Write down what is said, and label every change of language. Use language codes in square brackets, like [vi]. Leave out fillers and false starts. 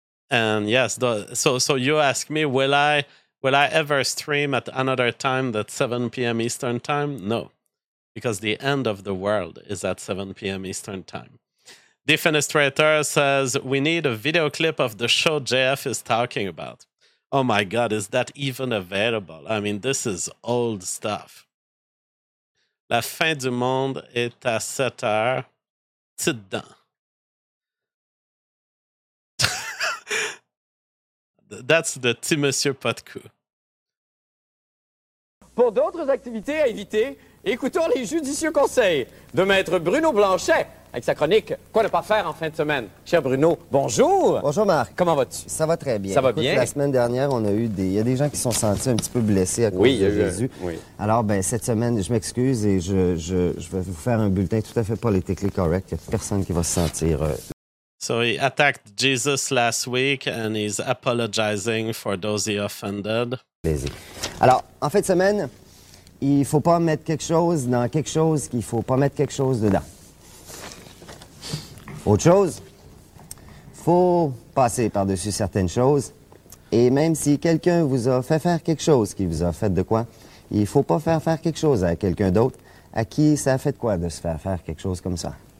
[en] and yes, so you ask me, will I ever stream at another time than 7 p.m. Eastern time? No, because the end of the world is at 7 p.m. Eastern time. Defenestrator says, we need a video clip of the show JF is talking about. Oh my God, is that even available? I mean, this is old stuff. [fr] La fin du monde est à 7 heures. Petite dent. [en] That's the [fr] petit monsieur pas de coup. Pour d'autres activités à éviter, écoutons les judicieux conseils de maître Bruno Blanchet. Avec sa chronique, quoi ne pas faire en fin de semaine? Cher Bruno, bonjour! Bonjour Marc. Comment vas-tu? Ça va très bien. Ça va bien? La semaine dernière, il y a des gens qui se sont sentis un petit peu blessés à cause de Jésus. Oui. Alors, ben cette semaine, je m'excuse et je vais vous faire un bulletin tout à fait [en] politically correct. [fr] Il n'y a personne qui va se sentir... [en] So he attacked Jesus last week and he's apologizing for those he offended. [fr] Plaisir. Alors, en fin de semaine, il faut pas mettre quelque chose dans quelque chose qu'il faut pas mettre quelque chose dedans. Autre chose, faut passer par-dessus certaines choses. Et même si quelqu'un vous a fait faire quelque chose qui vous a fait de quoi, il faut pas faire faire quelque chose à quelqu'un d'autre à qui ça a fait de quoi de se faire faire quelque chose comme ça.